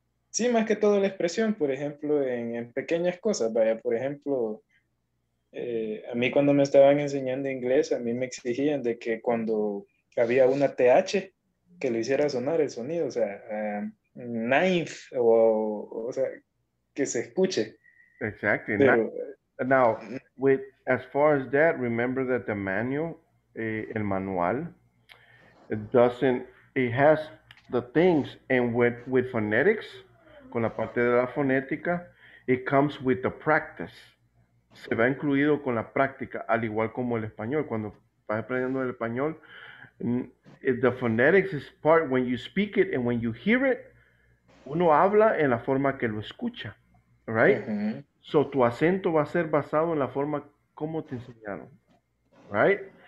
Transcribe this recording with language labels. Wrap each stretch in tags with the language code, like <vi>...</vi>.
<es>Sí, más que todo la expresión, por ejemplo, en pequeñas cosas. Vaya, por ejemplo... a mí cuando me estaban enseñando inglés, a mí me exigían de que cuando había una TH, que lo hiciera sonar el sonido, o sea, knife, o sea, que se escuche.</es> <en>Exactly. Pero, now, with as far as that, remember that the manual,</en> <es>el manual,</es> <en>it has the things, and with phonetics,</en> <es>con la parte de la fonética,</es> <en>it comes with the practice.</en> <es>Se va incluido con la práctica, al igual como el español. Cuando vas aprendiendo el español,</es> <en>the phonetics is part when you speak it and when you hear it,</en> <es>uno habla en la forma que lo escucha,</es> <en>right? Uh-huh.</en> <es>So tu acento va a ser basado en la forma como te enseñaron, right?</es>